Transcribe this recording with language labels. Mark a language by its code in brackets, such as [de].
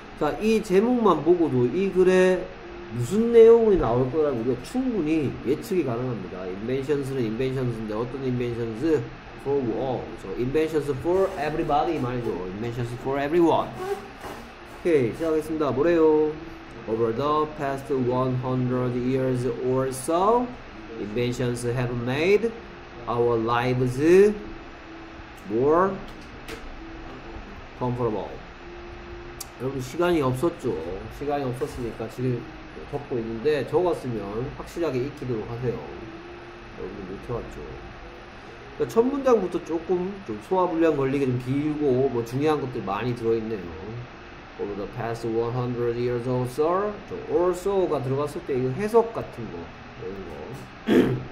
[ko] 자, 이 제목만 보고도 이 글에 무슨 내용이 나올 거라고 우리가 충분히 예측이 가능합니다. [en] Inventions는 Inventions인데 어떤 Inventions? For all. So, Inventions for everybody 말이죠. Inventions for everyone. [ko] 오케이, 시작하겠습니다. 뭐래요? [en] Over the past 100 years or so, inventions have made our lives more comfortable. [ko] 여러분, 시간이 없었죠. 시간이 없었으니까 지금 적고 있는데, 적었으면 확실하게 읽히도록 하세요. 여러분, 못해왔죠. 그러니까 첫 문장부터 조금 좀 소화불량 걸리게 좀 길고, 뭐 중요한 것들 많이 들어있네요. [en] Over the past 100 years or so, [ko] also가 들어갔을 때 이거 해석 같은 거 이런 거.